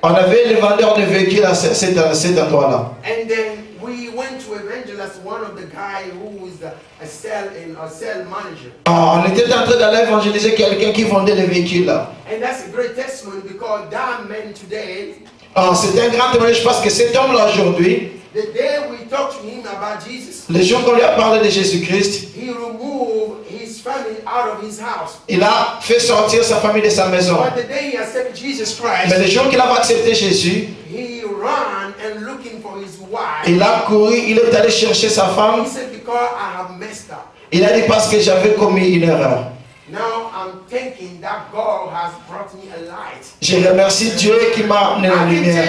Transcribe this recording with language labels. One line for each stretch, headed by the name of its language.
French: On avait le vendeur de véhicules à cet endroit-là.
English: And then we went to evangelist, one of the guy who is a sell manager.
French: Ah, on était en train d'aller évangéliser quelqu'un qui vendait les véhicules là.
English: And that's a great testimony, because that man today.
French: Ah, c'est un grand témoignage parce que cet homme-là aujourd'hui.
English: The day we talked to him about Jesus.
French: Le jour qu'on lui a parlé de Jésus-Christ.
English: He removed his family out of his house.
French: Il a fait sortir sa famille de sa maison.
English: But the day he accepted Jesus Christ.
French: Mais le jour qu'il a accepté Jésus.
English: He ran and looking for his wife.
French: Il a couru, il est allé chercher sa femme.
English: He said, because I have messed up.
French: Il a dit parce que j'avais commis une erreur.
English: Now I'm thinking that God has brought me a light.
French: Je remercie Dieu qui m'a amené la lumière.